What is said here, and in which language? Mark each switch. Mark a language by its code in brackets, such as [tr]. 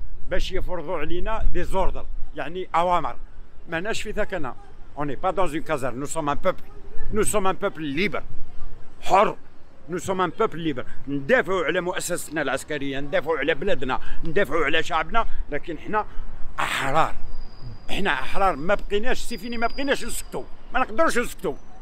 [ar] باش يفرضوا علينا [fr] des ordres, [ar] يعني أوامر. ماناش في ثكنة. [fr] On n'est pas dans une caserne. Nous sommes un peuple. Nous sommes un peuple libre. [ar] حر. [fr] Nous sommes un peuple libre. [ar] ندافعوا على مؤسستنا العسكرية, ندافعوا على بلدنا, ندافعوا على شعبنا, لكن إحنا أحرار. إحنا أحرار, ما بقيناش سيفيني, ما بقيناش نسكتوا, ما نقدرش نسكتوا.